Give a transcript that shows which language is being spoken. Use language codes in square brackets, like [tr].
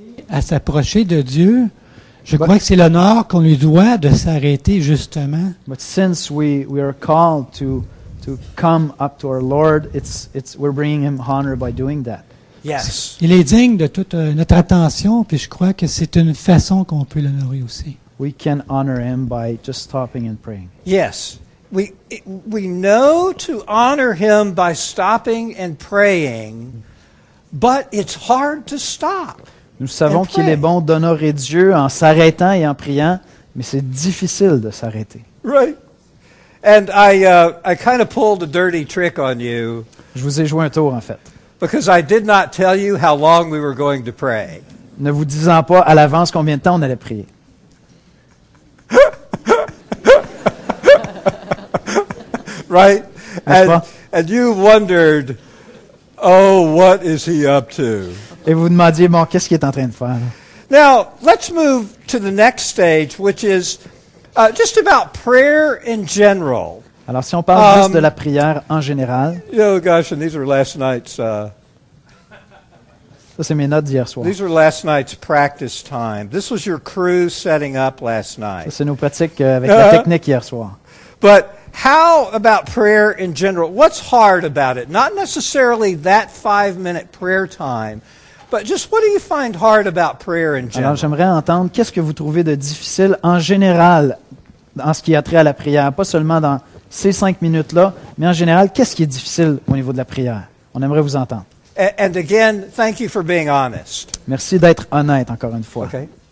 [fr] À s'approcher de Dieu, je crois que c'est l'honneur qu'on lui doit de s'arrêter justement. [en] But since we are called to come up to our Lord, it's we're bringing him honor by doing that. Yes. [fr] Il est digne de toute notre attention, puis je crois que c'est une façon qu'on peut l'honorer aussi. [en] We can honor him by just stopping and praying. Yes. We know to honor him by stopping and praying, but it's hard to stop. [fr] Nous savons qu'il est bon d'honorer Dieu en s'arrêtant et en priant, mais c'est difficile de s'arrêter. Right. [en] And I kind of pulled a dirty trick on you. [fr] Je vous ai joué un tour en fait. [en] Because I did not tell you how long we were going to pray. [fr] Ne vous disant pas à l'avance combien de temps on allait prier. [en] Right? And you wondered, oh, what is he up to? [fr] Et vous demandiez, bon, qu'est-ce qu'il est en train de faire? [en] Now, let's move to the next stage, which is just about prayer in general. [fr] Alors, si on parle juste de la prière en général. [en] Oh, gosh, and these were last night's... [fr] Ça, c'est mes notes d'hier soir. [en] These were last night's practice time. This was your crew setting up last night. [fr] Ça, c'est nos pratiques avec la technique hier soir. [en] But... How about prayer in general? What's hard about it? Not necessarily that 5 minute prayer time, but just what do you find hard about prayer in general? [fr] Alors, j'aimerais entendre qu'est-ce que vous trouvez de difficile en général en ce qui a trait à la prière, pas seulement dans ces 5 minutes-là, mais en général, qu'est-ce qui est difficile au niveau de la prière? On aimerait vous entendre. [en] And again, thank you for being honest. [fr] Merci d'être honnête encore une fois. [en] Okay.